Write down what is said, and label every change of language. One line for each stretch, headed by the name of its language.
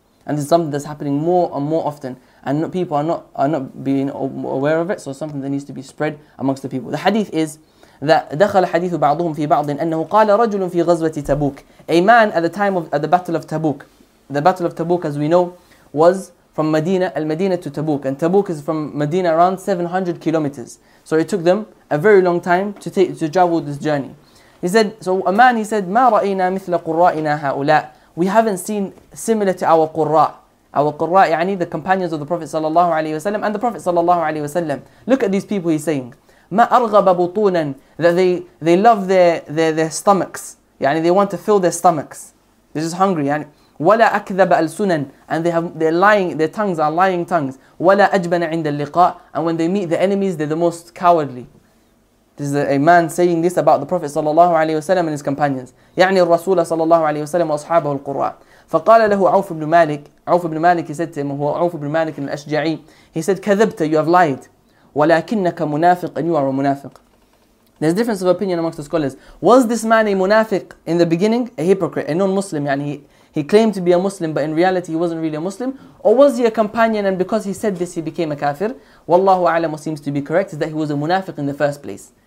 English: And this is something that's happening more and more often, and people are not being aware of it, so something that needs to be spread amongst the people. The hadith is that
Arabic: دخل حديث بعضهم في بعض أنه قال رجل في غزوة تبوك.
English: A man at the time of at the Battle of Tabuk. The Battle of Tabuk, as we know, was from Medina, Al-Madina to Tabuk. And Tabuk is from Medina around 700 kilometers. So it took them a very long time to travel this journey.
Arabic: He said, ما رأينا مثل قرائنا هؤلاء.
English: We haven't seen similar to our قراء. Our قراء, يعني the companions of the Prophet صلى الله عليه وسلم and the Prophet صلى الله عليه وسلم. Look at these people, he's saying.
Arabic: ما أرغب بطونا.
English: That they love their stomachs. يعني they want to fill their stomachs. They're just hungry.
Arabic: يعني. ولا أكذب ألسنن.
English: And their tongues are lying tongues.
Arabic: ولا أجبن عند اللقاء.
English: And when they meet the enemies, they're the most cowardly. This is a man saying this about the Prophet صلى الله عليه وسلم and his companions.
Arabic: يعني الرسول صلى الله عليه وسلم وأصحابه القراء. فقال له عوف بن مالك.
English: عوف بن مالك, he said to him, هو عوف بن مالك الأشجعي. He said,
Arabic: كذبت,
English: you have lied.
Arabic: ولكنك منافق,
English: and you are a منافق. There's difference of opinion amongst the scholars. Was this man a منافق in the beginning? A hypocrite, a non-Muslim. يعني he claimed to be a Muslim, but in reality he wasn't really a Muslim. Or was he a companion and because he said this he became a kafir? Wallahu a'lam, seems to be correct, is that he was a munafiq in the first place.